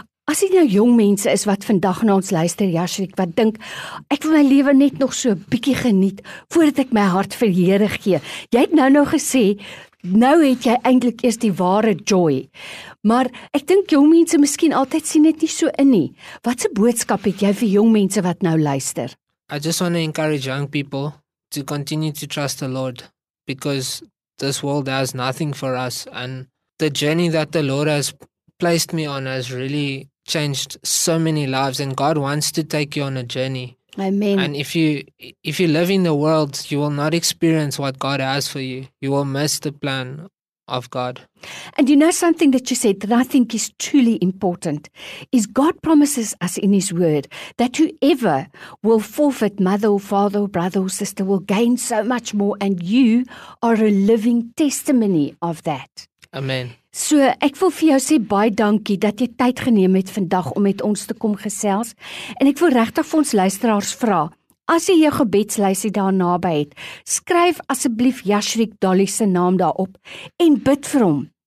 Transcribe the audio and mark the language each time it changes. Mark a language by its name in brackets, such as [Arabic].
[Afrikaans] As jy nou jong mense is wat vandag na ons luister, Jasriek, wat dink, ek wil my lewe net nog so 'n bietjie geniet, voordat ek my hart vir die Here gee. Jy het nou gesê, nou het jy eintlik eers die ware joy. Maar ek dink jong mense miskien altyd sien dit nie so in nie. Watse boodskap het jy vir jong mense wat nou luister? [English] I just want to encourage young people to continue to trust the Lord, because this world has nothing for us, and the journey that the Lord has placed me on has really changed so many lives, and God wants to take you on a journey. Amen. And if you live in the world, you will not experience what God has for you. You will miss the plan of God. And you know something that you said that I think is truly important, is God promises us in His Word that whoever will forfeit mother or father or brother or sister will gain so much more, and you are a living testimony of that. Amen. [Afrikaans] So, ek wil vir jou sê baie dankie dat jy tyd geneem het vandag om met ons te kom gesels. En ek wil regtig vir ons luisteraars vra, as jy jou gebedslysie daar naby het, skryf asseblief Jasriek Dolly se naam daarop en bid vir hom.